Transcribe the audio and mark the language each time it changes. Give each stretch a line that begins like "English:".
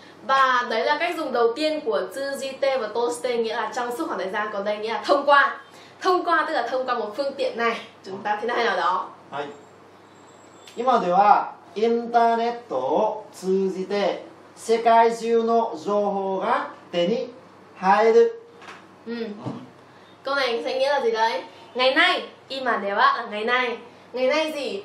Vietnamese: Và đấy là cách dùng đầu tiên của tư di tê và tô stê, nghĩa là trong suốt khoảng thời gian, còn đây nghĩa là thông qua. Thông qua tức là thông qua một phương tiện này. Chúng ta thế này nào đó. Hay.
Japanese: 今では internet を通じて世界中の情報が手に入る。
Vietnamese: Câu này sẽ nghĩa là gì đấy? Ngày nay, 今では ngày nay. Ngày nay gì?